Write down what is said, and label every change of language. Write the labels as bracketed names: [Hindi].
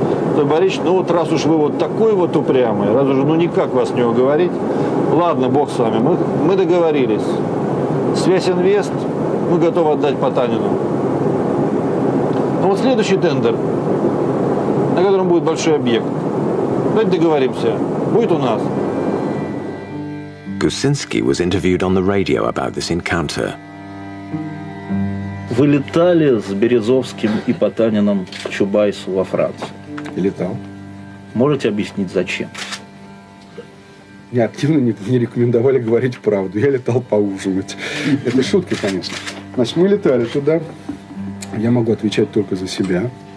[Russian] Анатолий Борисович, ну вот раз уж вы вот такой вот упрямый, раз уж ну никак вас не уговорить, ладно, бог с вами, мы договорились. Связь-инвест... Мы готовы отдать Потанину. Но вот следующий тендер, на котором будет большой объект. Давайте договоримся. Будет у нас. [English] Гусинский was interviewed on the radio about this encounter. [Russian] Вы летали с Березовским и Потанином к Чубайсу во Францию? Летал. Можете объяснить, зачем? Мне активно не рекомендовали говорить правду. Я летал поужинать. Это шутки, конечно. Значит, мы летали туда. Я могу отвечать только за себя.